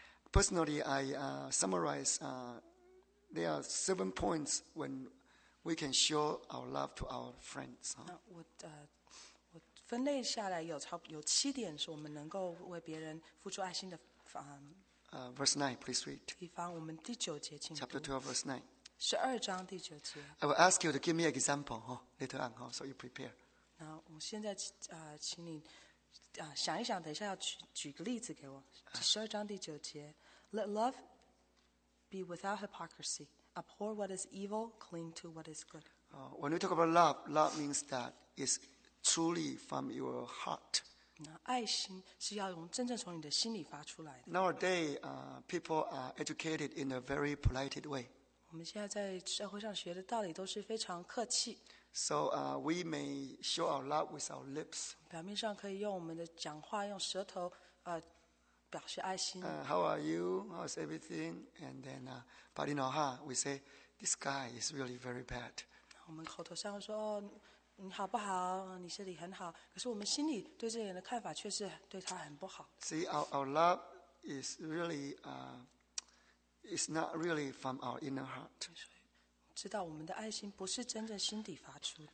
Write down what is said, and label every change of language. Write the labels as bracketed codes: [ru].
[en] Personally, I summarize, there are 7 points when we can show our love to our friends. Huh? [zh] 我分类下来有七点是我们能够为别人付出爱心的 [en] verse 9, please read. [zh] 以防我们第九节, [en] Chapter 12, verse 9. [zh] 12章第9节. [en] I will ask you to give me an example later on, so you prepare. [zh] 我现在, 请你, 想一想, 等一下要举个例子给我. 12章第9节. [en] Let love be without hypocrisy. Abhor what is evil, cling to what is good. When we talk about love, love means that it's truly from your heart. [zh] 爱心是要从真正从你的心里发出来的. [en] Nowadays, people are educated in a very polite way. [zh] 我们现在在社会上学的道理都是非常客气. [en] So we may show our love with our lips. [zh] 表面上可以用我们的讲话用舌头 表示爱心. [en] How are you? How's everything? And then, but in our heart, we say, this guy is really very bad. [zh] 我们口头上说, 你好不好?你这里很好? 可是我们心里对这个人的看法却是对他很不好. [en] See, our love is really, it's not really from our inner heart. [zh] 知道我们的爱心不是真正心底发出.